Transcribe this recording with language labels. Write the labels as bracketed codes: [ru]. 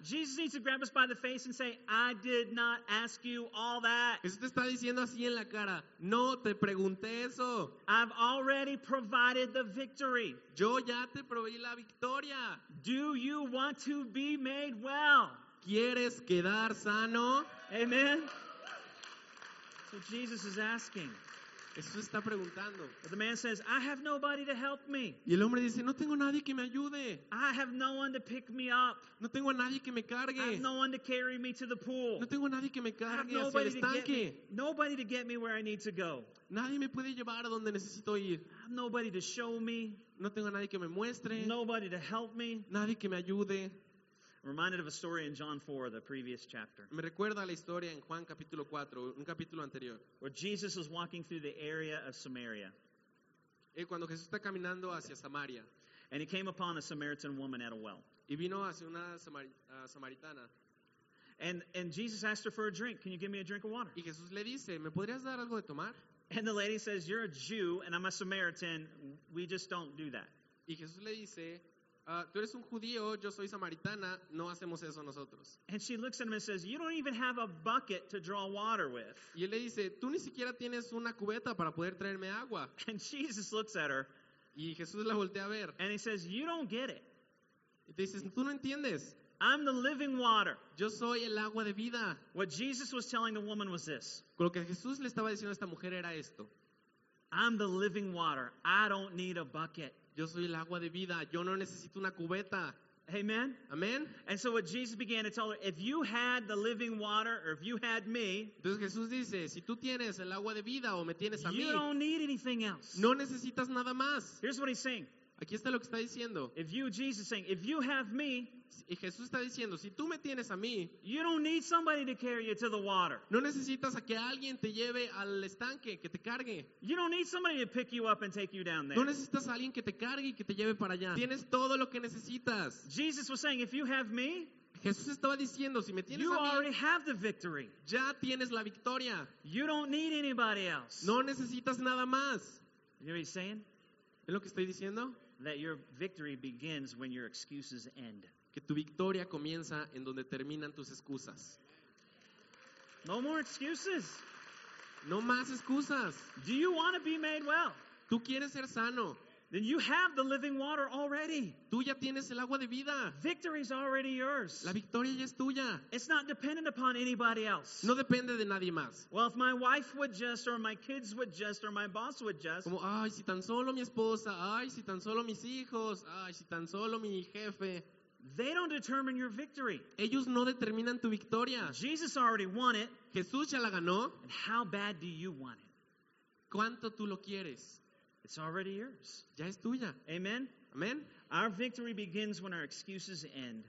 [en] Jesus needs to grab us by the face and say, "I did not ask you all that." [es] Jesús te está diciendo así en la cara, "No te pregunté eso." [en] I've already provided the victory. [es] Yo ya te proveí la victoria. [en] Do you want to be made well? [es] ¿Quieres quedar sano? [en] Amen. So Jesus is asking. [es] Jesús está preguntando. [en] But the man says, "I have nobody to help me." [es] Y el hombre dice, "No tengo nadie que me ayude." [en] "I have no one to pick me up." [es] No tengo a nadie que me cargue. [en] "I have no one to carry me to the pool." [es] No tengo a nadie que me cargue hacia el estanque. [en] "Nobody to get me where I need to go." [es] Nadie me puede llevar a donde necesito ir. [en] "I have nobody to show me." [es] No tengo a nadie que me muestre. [en] "Nobody to help me." [es] Nadie que me ayude. [en] I'm reminded of a story in John 4, the previous chapter. [es] Me recuerda la historia en Juan capítulo 4, un capítulo anterior. [en] Where Jesus was walking through the area of Samaria. [es] Y cuando Jesús está caminando hacia Samaria. [en] And he came upon a Samaritan woman at a well. [es] Y vino hacia una samaritana. [en] And Jesus asked her for a drink. "Can you give me a drink of water?" [es] Y Jesús le dice, "¿Me podrías dar algo de tomar?" [en] And the lady says, "You're a Jew and I'm a Samaritan. We just don't do that." [es] Y Jesús le dice, "Tú eres un judío, yo soy samaritana, no hacemos eso nosotros." [en] And she looks at him and says, "You don't even have a bucket to draw water with." [es] Y él le dice, "Tú ni siquiera tienes una cubeta para poder traerme agua." [en] And Jesus looks at her. [es] Y Jesús la voltea a ver. [en] And he says, "You don't get it." [es] Y te dices, "Tú no entiendes." [en] "I'm the living water." [es] Yo soy el agua de vida. [en] What Jesus was telling the woman was this. [es] Lo que Jesús le estaba diciendo a esta mujer era esto. [en] "I'm the living water. I don't need a bucket." [es] Yo soy el agua de vida. Yo no necesito una cubeta. [en] Amen. [es] Amen. [en] And so what Jesus began to tell her, "If you had the living water, or if you had me," [es] entonces Jesús dice, si tú tienes el agua de vida o me tienes a [en] you [es] mí, [en] you don't need anything else. [es] No necesitas nada más. [en] Here's what he's saying. [es] Aquí está lo que está diciendo. [en] If you, Jesus saying, if you have me, [es] y Jesús está diciendo, si tú me tienes a mí, [en] you don't need somebody to carry you to the water. [es] No necesitas a que alguien te lleve al estanque, que te cargue. [en] You don't need somebody to pick you up and take you down there. [es] No necesitas a alguien que te cargue y que te lleve para allá. Tienes todo lo que necesitas. [en] Jesus was saying, if you have me, [es] Jesús estaba diciendo, si me tienes [en] you [es] a mí, [en] already have the victory. [es] Ya tienes la victoria. [en] You don't need anybody else. [es] No necesitas nada más. [en] You know what he's saying? [es] ¿Es lo que estoy diciendo? [en] That your victory begins when your excuses end. [es] Que tu victoria comienza en donde terminan tus excusas. [en] No more excuses. [es] No más excusas. [en] Do you want to be made well? [es] Tú quieres ser sano. [en] Then you have the living water already. [es] Tú ya tienes el agua de vida. [en] Victory is already yours. [es] La victoria ya es tuya. [en] It's not dependent upon anybody else. [es] No depende de nadie más. [en] Well, if my wife would just, or my kids would just, or my boss would just. [es] Como, ay, si tan solo mi esposa, ay, si tan solo mis hijos, ay, si tan solo mi jefe. [en] They don't determine your victory. [es] Ellos no determinan tu victoria. [en] Jesus already won it. [es] Jesús ya la ganó. [en] And how bad do you want it? [es] ¿Cuánto tú lo quieres? [en] It's already yours. [es] Ya es tuya. [en] Amen. [es] Amen. [en] Our victory begins when our excuses end.